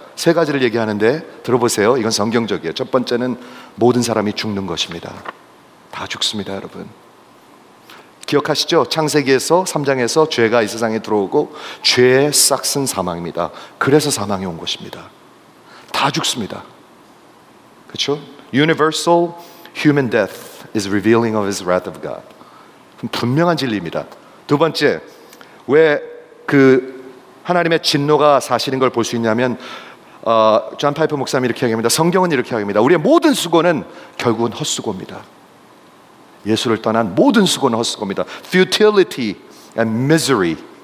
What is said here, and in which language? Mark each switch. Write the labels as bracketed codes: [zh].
[ko] 세 가지를 얘기하는데 들어보세요. 이건 성경적이에요. 첫 번째는 모든 사람이 죽는 것입니다. 다 죽습니다, 여러분. 기억하시죠? 창세기에서 3장에서 죄가 이 세상에 들어오고 죄의 싹은 사망입니다. 그래서 사망이 온 것입니다. 다 죽습니다. 그렇죠? [en] Universal human death is revealing of his wrath of God. [ko] 분명한 진리입니다. 두 번째, 왜 그 하나님의 진노가 사실인 걸 볼 수 있냐면 존 파이퍼 목사님이 이렇게 얘기합니다. 성경은 이렇게 얘기합니다. 우리의 모든 수고는 결국은 헛수고입니다. 예수를 떠난 모든 수고는 헛수고입니다. [en] Futility and misery.